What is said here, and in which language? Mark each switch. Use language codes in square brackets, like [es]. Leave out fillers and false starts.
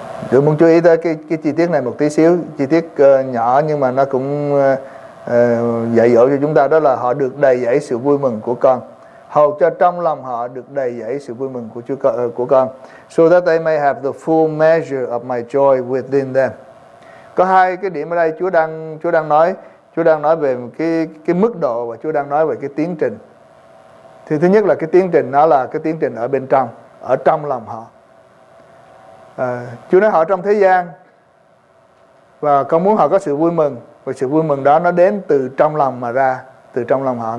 [vi] Tôi muốn chú ý tới cái chi tiết này một tí xíu, chi tiết nhỏ nhưng mà nó cũng dạy dỗ cho chúng ta, đó là họ được đầy dẫy sự vui mừng của con, hầu cho trong lòng họ được đầy dẫy sự vui mừng của Chúa của con. [en] So that they may have the full measure of my joy within them. [vi] Có hai cái điểm ở đây Chúa đang nói về cái mức độ, và Chúa đang nói về cái tiến trình. Thì thứ nhất là cái tiến trình, nó là cái tiến trình ở bên trong, ở trong lòng họ. Chúa nói họ trong thế gian và con muốn họ có sự vui mừng, và sự vui mừng đó nó đến từ trong lòng mà ra, từ trong lòng họ.